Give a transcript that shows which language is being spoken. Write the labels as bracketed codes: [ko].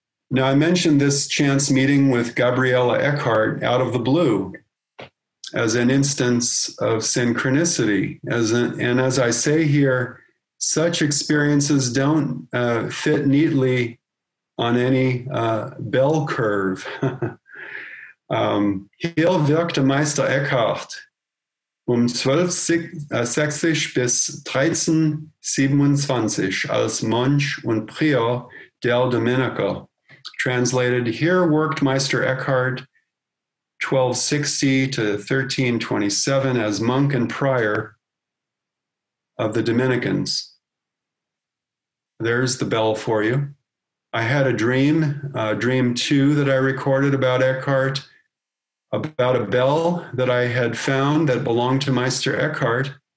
[en] Now, I mentioned this chance meeting with Gabriella Eckhart out of the blue as an instance of synchronicity. And as I say here, such experiences don't fit neatly on any bell curve. [de] Hier wirkte Meister Eckhart um 1260 bis 1327 als Mönch und Prior del Domenico. [en] Translated, here worked Meister Eckhart 1260 to 1327 as monk and prior of the Dominicans. There's the bell for you. I had a dream, dream two, that I recorded about Eckhart, about a bell that I had found that belonged to Meister Eckhart.